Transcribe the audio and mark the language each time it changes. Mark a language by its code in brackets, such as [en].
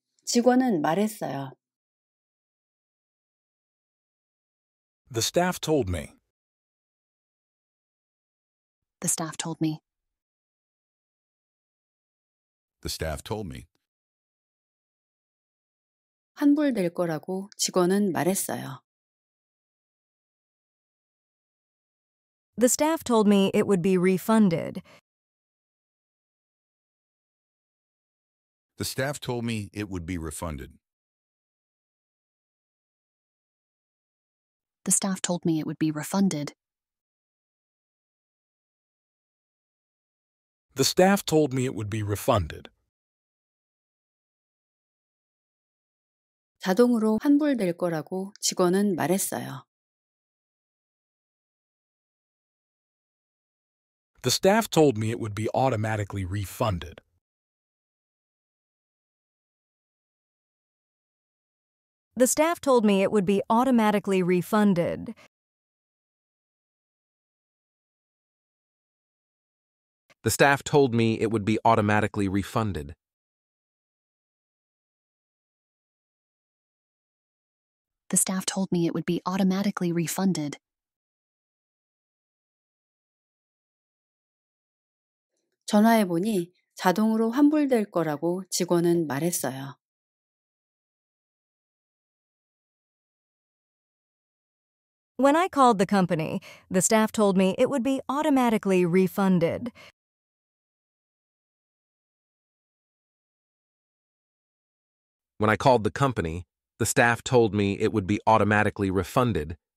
[en] The staff told me. The staff told me. The staff told me. [ko] 환불될 거라고 직원은 말했어요. [en] The staff told me it would be refunded. The staff told me it would be refunded. The staff told me it would be refunded. The staff told me it would be refunded. [ko] 자동으로 환불될 거라고 직원은 말했어요. [en] The staff told me it would be automatically refunded. The staff told me it would be automatically refunded. The staff told me it would be automatically refunded. The staff told me it would be automatically refunded. [ko] 전화해 보니 자동으로 환불될 거라고 직원은 말했어요. [en] When I called the company, the staff told me it would be automatically refunded. When I called the company, the staff told me it would be automatically refunded.